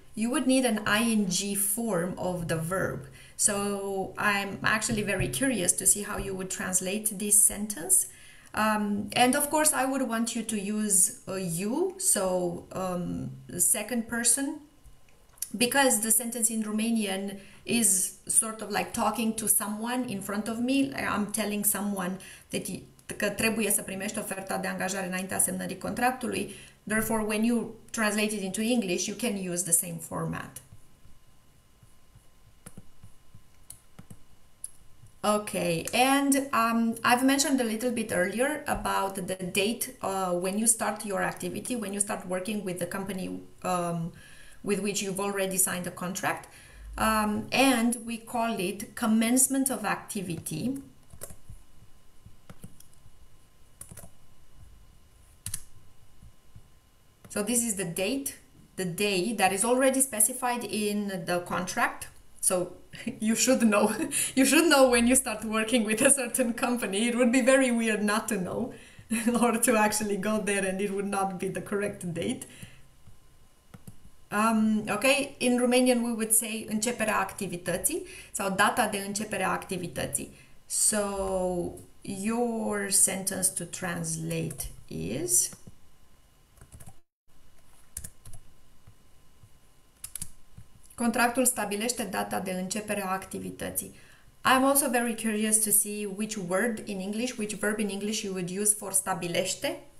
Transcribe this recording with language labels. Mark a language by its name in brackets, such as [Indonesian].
[English] you would need an ing form of the verb. So I'm actually very curious to see how you would translate this sentence. And of course, I would want you to use you, so the second person, because the sentence in Romanian is sort of like talking to someone in front of me. I'm telling someone that [Romanian] că trebuie să primești oferta de angajare înaintea semnării contractului. [English] Therefore, when you translate it into English, you can use the same format. Okay, and I've mentioned a little bit earlier about the date when you start your activity, when you start working with the company with which you've already signed a contract. And we call it commencement of activity. So this is the date, the day that is already specified in the contract. So you should know. You should know when you start working with a certain company. It would be very weird not to know or to actually go there and it would not be the correct date. Okay, in Romanian we would say [Romanian] începerea activității sau data de începere a activității. [English] So your sentence to translate is... [Romanian] Contractul stabilește data de începere a activității. [English] I'm also very curious to see which word in English, which verb in English you would use for stabilește.